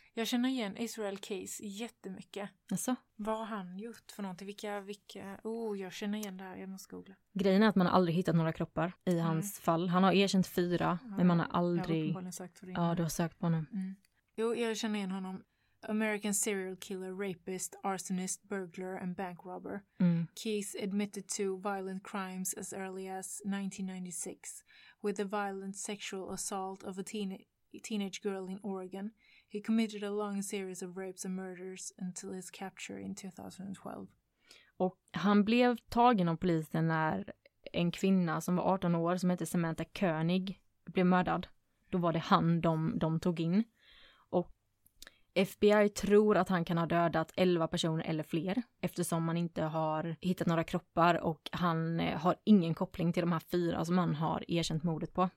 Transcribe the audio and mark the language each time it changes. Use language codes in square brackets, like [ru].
[sv] Jag känner igen Israel Keys jättemycket. Asså? Vad har han gjort för någonting? Vilka... Oh, jag känner igen det här. Jag måste googla. Grejen är att man aldrig hittat några kroppar i hans fall. Han har erkänt 4, men man har aldrig... Jag har uppenbarligen sökt för det. Ja, du har sökt på honom. Jo, jag känner igen honom. [en] American serial killer, rapist, arsonist, burglar and bank robber. Keys admitted to violent crimes as early as 1996 with a violent sexual assault of a teenage girl in Oregon. He committed a long series of rapes and murders until his capture in 2012. [sv] Och han blev tagen av polisen när en kvinna som var 18 år som hette Samantha König blev mördad. Då var det han de tog in. FBI tror att han kan ha dödat 11 personer eller fler eftersom man inte har hittat några kroppar och han har ingen koppling till de här 4 som han har erkänt mordet på.